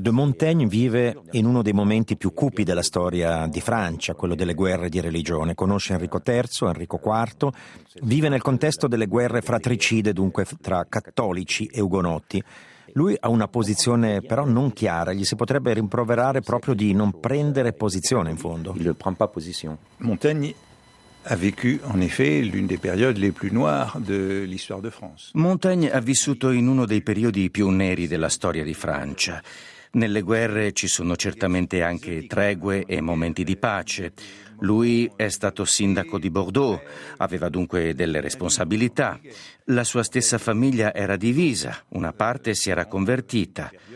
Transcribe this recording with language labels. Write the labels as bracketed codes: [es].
[it] de Montaigne vive in uno dei momenti più cupi della storia di Francia, quello delle guerre di religione. Conosce Enrico III, Enrico IV, vive nel contesto delle guerre fratricide, dunque tra cattolici e ugonotti. Lui ha una posizione però non chiara, gli si potrebbe rimproverare proprio di non prendere posizione in fondo. [fr] Il ne prend pas position. Montaigne a vécu en effet l'une des périodes les plus noires de l'histoire de France. [it] Montaigne ha vissuto in uno dei periodi più neri della storia di Francia. Nelle guerre ci sono certamente anche tregue e momenti di pace. Lui è stato sindaco di Bordeaux, aveva dunque delle responsabilità. La sua stessa famiglia era divisa, una parte si era convertita.